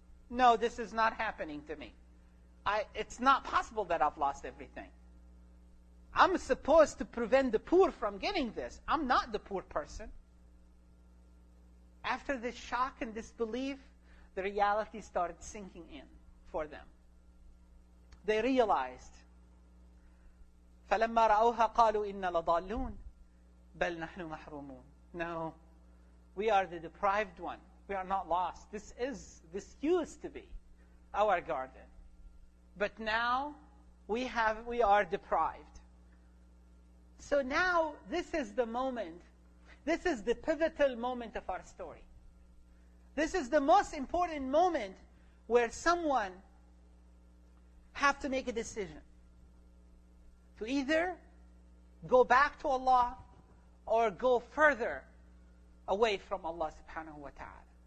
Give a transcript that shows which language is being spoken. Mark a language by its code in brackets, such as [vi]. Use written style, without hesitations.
[en] No, this is not happening to me. It's not possible that I've lost everything. I'm supposed to prevent the poor from getting this. I'm not the poor person. After this shock and disbelief, the reality started sinking in for them. They realized, [ar] فَلَمَّا رَأَوْهَا قَالُوا إِنَّا لَضَالُّونَ بَلْ نَحْنُ مَحْرُومُونَ. [en] No, we are the deprived one. We are not lost. This used to be our garden. But now we are deprived. So now this is the moment. This is the pivotal moment of our story. This is the most important moment where someone have to make a decision to either go back to Allah or go further away from Allah subhanahu wa ta'ala.